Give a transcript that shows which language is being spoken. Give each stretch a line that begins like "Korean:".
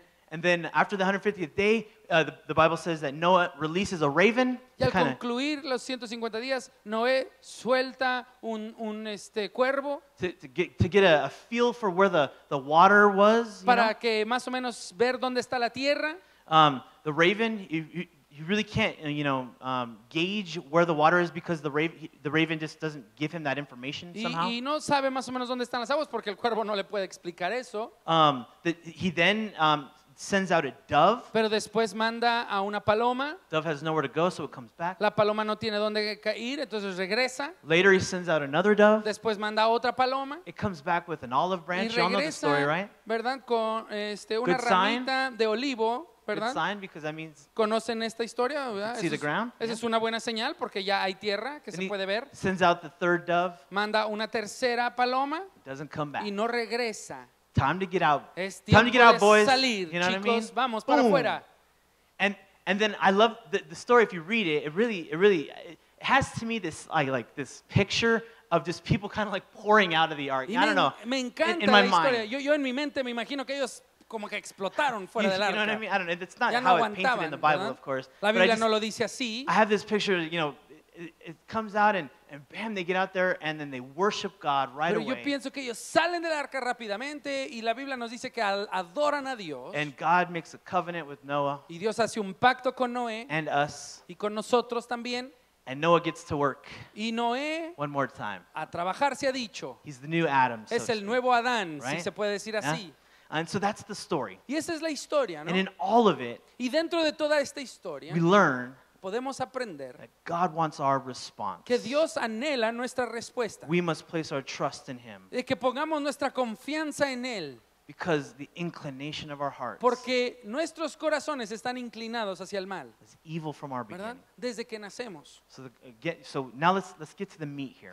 English: And then after the 150th day, the Bible says that Noah releases a raven.
Spanish: Y al concluir los 150 días, Noé suelta un cuervo.
English: To get a feel for where the water was.
Spanish: Para
English: you know?
Spanish: Que más o menos ver dónde está la tierra.
English: The raven, you really can't, you know, gauge where the water is because the raven just doesn't give him that information somehow.
Spanish: Y no sabe más o menos dónde están las aguas porque el cuervo no le puede explicar eso.
English: He then sends out a dove.
Spanish: Pero después manda a una paloma.
English: Dove has nowhere to go, so it comes back.
Spanish: La paloma no tiene dónde ir, entonces regresa.
English: Later he sends out another dove.
Spanish: Después manda otra paloma.
English: It comes back with an olive branch. You all know the story, right?
Spanish: ¿Verdad? Con una ramita de olivo, ¿verdad?
English: Good sign, because that means
Spanish: conocen esta historia, ¿verdad?
English: See the ground.
Spanish: Esa es una buena señal porque ya hay tierra que se puede ver.
English: Sends out the third dove.
Spanish: Manda una tercera paloma.
English: Doesn't come back.
Spanish: Y no regresa.
English: Time to get out.
Spanish: Es tiempo
English: time to get out, boys.
Spanish: Salir,
English: you know
Spanish: chicos,
English: what I mean?
Spanish: Vamos, para afuera.
English: And then I love the story. If you read it, it really has to me this like this picture of just people kind of like pouring out of the ark. I don't know.
Spanish: Me encanta la historia. Yo en mi mente me imagino que ellos como que explotaron fuera del arca.
English: You know what I mean? I don't know. It's not
Spanish: ya
English: how
Spanish: no
English: it's painted in the Bible,
Spanish: ¿verdad?
English: Of course.
Spanish: La Biblia no lo dice así.
English: I have this picture, you know. It comes out and bam, they get out there and then they worship God right
Spanish: pero
English: away.
Spanish: Pero yo pienso que ellos salen del arca rápidamente y la Biblia nos dice que adoran a Dios.
English: And God makes a covenant with Noah.
Spanish: Y Dios hace un pacto con Noé.
English: And us.
Spanish: Y con nosotros también.
English: And Noah gets to work.
Spanish: Y Noé.
English: One more time.
Spanish: A trabajar se ha dicho.
English: He's the new Adam.
Spanish: Es
English: so
Spanish: el nuevo Adán, right? Si se puede decir así.
English: Yeah? And so that's the story.
Spanish: Y esa es la historia, ¿no?
English: And in all of it.
Spanish: Y dentro de toda esta historia.
English: We learn.
Spanish: Podemos aprender
English: that God wants our response.
Spanish: Que Dios anhela nuestra respuesta.
English: We must place our trust in him.
Spanish: De que pongamos nuestra confianza en él.
English: Because the inclination of our hearts.
Spanish: Porque nuestros corazones están inclinados hacia el mal.
English: It's evil from our beginning.
Spanish: ¿Verdad? Desde que nacemos.
English: So now let's get to the meat here.